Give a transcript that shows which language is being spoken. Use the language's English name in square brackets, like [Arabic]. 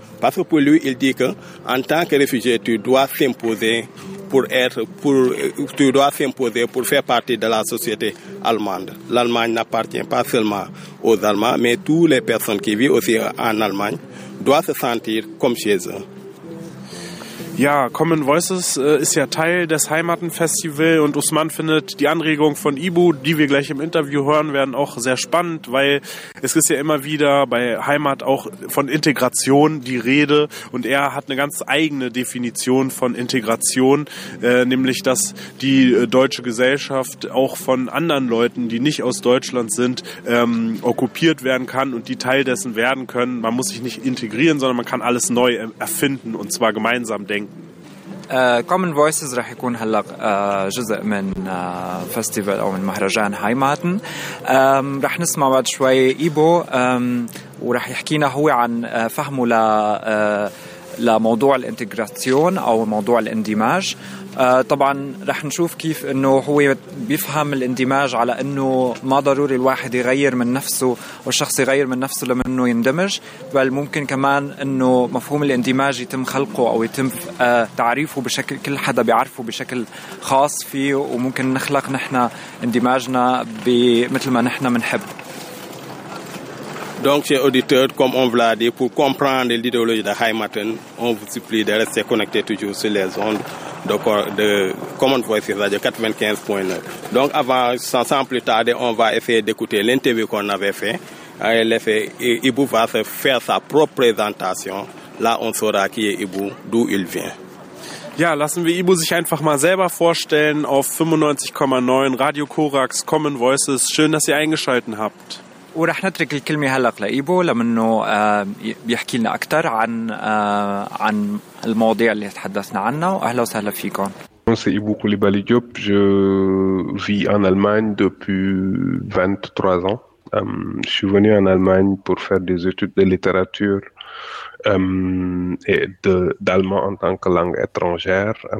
[French] Parce que pour lui, il dit que en tant que réfugié, tu dois s'imposer pour faire partie de la société allemande. L'Allemagne n'appartient pas seulement aux Allemands, mais toutes les personnes qui vivent aussi en Allemagne doivent se sentir comme chez eux. [German] Ja, Common Voices ist ja Teil des Heimatenfestivals und Usman findet die Anregung von Ibu, die wir gleich im Interview hören werden, auch sehr spannend, weil es ist ja immer wieder bei Heimat auch von Integration die Rede und er hat eine ganz eigene Definition von Integration, nämlich dass die deutsche Gesellschaft auch von anderen Leuten, die nicht aus Deutschland sind, okkupiert werden kann und die Teil dessen werden können. Man muss sich nicht integrieren, sondern man kann alles neu erfinden und zwar gemeinsam denken. [Arabic] Common Voices راح يكون هلا جزء من فستيفال أو من مهرجان هايماتن. راح نسمع بعد شوي إيبو وراح يحكينا هو عن فهمه لموضوع الانتجراسيون أو موضوع الاندماج. طبعا راح نشوف كيف إنه هو بيفهم الاندماج على إنه ما ضروري الواحد يغير من نفسه والشخص يغير من نفسه لمنه يندمج، بل ممكن كمان إنه مفهوم الاندماج يتم خلقه أو يتم تعريفه بشكل كل حدا بيعرفه بشكل خاص فيه وممكن نخلق نحنا اندماجنا بمثل ما نحنا منحب. [French] Donc, chers auditeurs, comme on vous l'a dit, pour comprendre l'idéologie de Heimaten, on vous supplie de rester connecté toujours sur les ondes de Common Voices Radio 95.9. Donc, avant, sans plus tarder, on va essayer d'écouter l'interview qu'on avait fait. Ibu va se faire sa propre présentation. Là, on saura qui est Ibu, d'où il vient. [German] Ja, lassen wir Ibu sich einfach mal selber vorstellen auf 95.9 Radio Korax Common Voices. Schön, dass ihr eingeschaltet habt. [Arabic] ورح نترك الكلمة هلق لإيبو لمنه بيحكي لنا أكتر عن المواضيع اللي تحدثنا عنها وأهلا وسهلا فيكم. [French] C'est Ibu Koulibaly Diop. Je vis en Allemagne depuis 23 ans. Je suis venu en Allemagne pour faire des études de littérature et d'allemand en tant que langue étrangère.